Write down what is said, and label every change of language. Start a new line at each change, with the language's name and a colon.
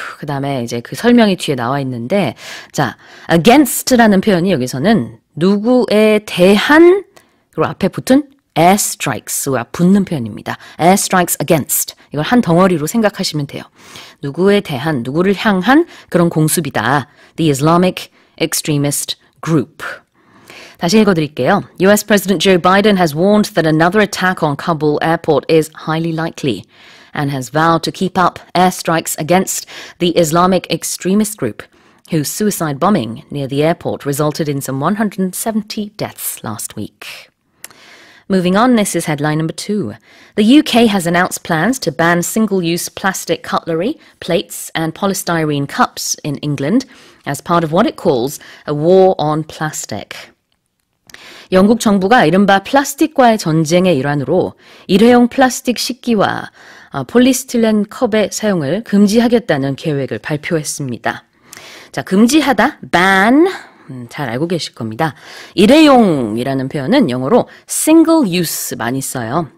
Korean: 그 다음에 이제 그 설명이 뒤에 나와 있는데, 자, against라는 표현이 여기서는 누구에 대한, 그리고 앞에 붙은 airstrikes와 붙는 표현입니다.
English: airstrikes against.
Korean: 이걸 한 덩어리로 생각하시면 돼요. 누구에 대한, 누구를 향한 그런 공습이다.
English: The Islamic extremist group.
Korean: 다시 읽어드릴게요.
English: U.S. President Joe Biden has warned that another attack on Kabul airport is highly likely and has vowed to keep up airstrikes against the Islamic extremist group whose suicide bombing near the airport resulted in some 170 deaths last week. Moving on, this is headline number two. The UK has announced plans to ban single-use plastic cutlery, plates and polystyrene cups in England as part of what it calls a war on plastic.
Korean: 영국 정부가 이른바 플라스틱과의 전쟁의 일환으로 일회용 플라스틱 식기와 폴리스틸렌 컵의 사용을 금지하겠다는 계획을 발표했습니다. 자, 금지하다, ban, 잘 알고 계실 겁니다. 일회용이라는 표현은 영어로 single use 많이 써요.